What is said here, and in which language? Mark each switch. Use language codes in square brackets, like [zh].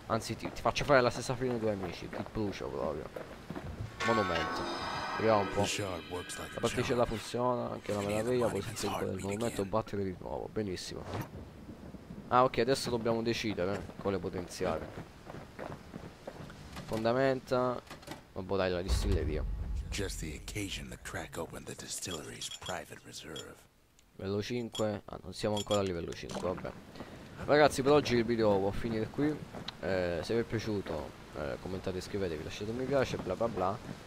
[it] Anzi, ti faccio fare la stessa fine ai tuoi amici. Ti brucio proprio. Monumento. Vediamo un po'. La particella funziona. Anche la meraviglia. Poi si sente il monumento. Battere di nuovo. Benissimo. Ah, ok. Adesso dobbiamo decidere quale potenziare. Fondamenta. Vabbè, dai, la distilleria. [en] Just the occasion to crack open the distillery's private reserve. [it] Livello 5. Ah, non siamo ancora a livello 5. Vabbè. Ragazzi, per oggi il video può finire qui. Se vi è piaciuto, commentate, iscrivetevi, lasciate un mi piace, bla bla bla.